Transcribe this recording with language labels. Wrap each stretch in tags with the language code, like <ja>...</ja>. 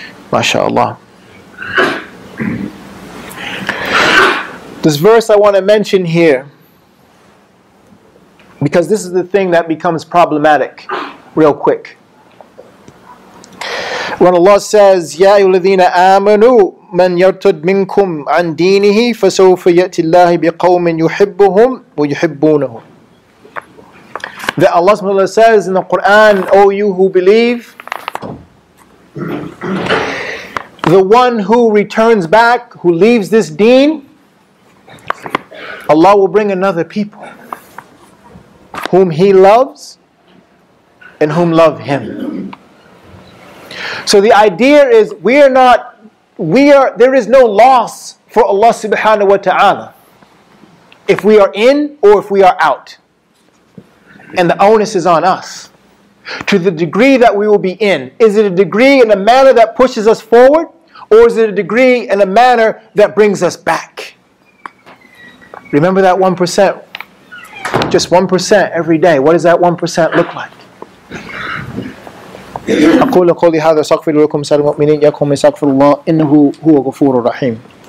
<en>MashaAllah. This verse I want to mention here, because this is the thing that becomes problematic, real quick. When Allah says,</en> <ar>يَا أَيُّهَا آمَنُوا مَنْ يَرْتَدْ مِنْكُمْ عَنْ دِينِهِ فَسَوْفَ يَأْتِ اللَّهِ بِقَوْمٍ يُحِبُّهُمْ وَيُحِبُّونَهُ.</ar> <en>That Allah says in the Quran, O you who believe, the one who returns back, who leaves this deen, Allah will bring another people whom He loves and whom love Him. So the idea is, there is no loss for Allah subhanahu wa ta'ala if we are in or if we are out. And the onus is on us. To the degree that we will be in, is it a degree in a manner that pushes us forward, or is it a degree in a manner that brings us back? Remember that 1%, just 1% every day. What does that 1% look like?</en> <ar>أقول قولي هذا استغفر لكم سلام المؤمنين يكم استغفر الله إنه هو غفور رحيم.</ar>